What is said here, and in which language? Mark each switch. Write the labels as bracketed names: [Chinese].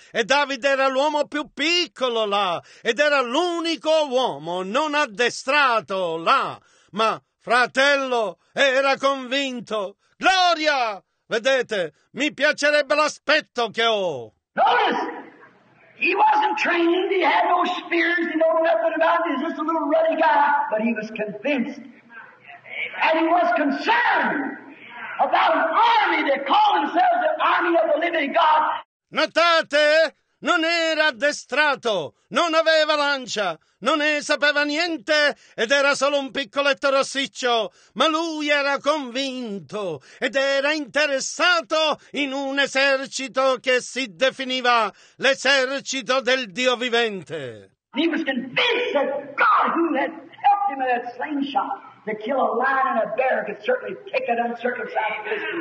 [Italian] E Davide era l'uomo più piccolo là, ed era l'unico uomo non addestrato là. Ma, fratello, era convinto. Gloria! Vedete, mi piacerebbe l'aspetto che ho. [English] Notice! He wasn't trained, he had no spears, he knew nothing about it, he was just a little ruddy guy, but he was convinced. And he was concerned about an army that called themselves the army of the living God. [Italian] Notate, non era addestrato, non aveva lancia, non ne sapeva niente ed era solo un piccoletto rossiccio, ma lui era convinto ed era interessato in un esercito che si definiva l'esercito del Dio vivente. [English] He was convinced that God, who had helped him in that slingshot to kill a lion and a bear, could certainly kick an uncircumcised Philistine.